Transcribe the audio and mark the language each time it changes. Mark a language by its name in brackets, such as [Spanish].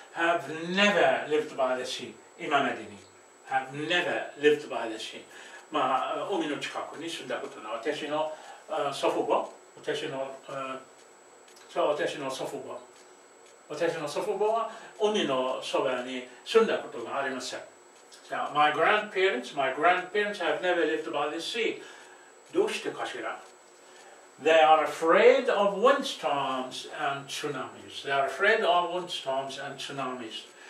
[English] have never lived by the sea. [Japanese] 今までに。 [English] Have never lived by the sea. [Japanese] まあ、海の近くに住んだことの私の祖父母、私の、そう、私の祖父母。私の祖父母は海のそばに住んだことがありません。 [English] So, my grandparents have never lived by the sea. [Japanese] どうしてかしら? [English] They are afraid of wind storms and tsunamis. They are afraid of wind storms and tsunamis.